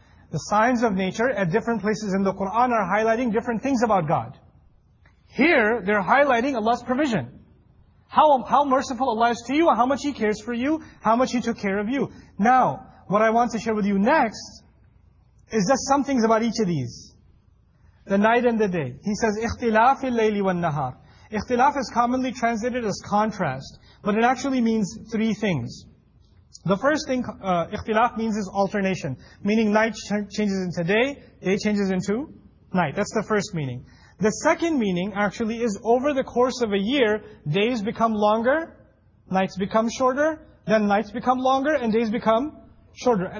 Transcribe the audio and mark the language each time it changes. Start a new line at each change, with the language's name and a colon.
English: The signs of nature at different places in the Quran are highlighting different things about God. Here, they're highlighting Allah's provision. How merciful Allah is to you, how much He cares for you, how much He took care of you. Now, what I want to share with you next is just some things about each of these. The night and the day. He says,
Arabic: اِخْتِلَافِ اللَّيْلِ وَالنَّهَارِ.
English: اِخْتِلَاف is commonly translated as contrast, but it actually means three things. The first thing, اِخْتِلَاف means is alternation, meaning night changes into day, day changes into night. That's the first meaning. The second meaning actually is over the course of a year, days become longer, nights become shorter, then nights become longer and days become shorter.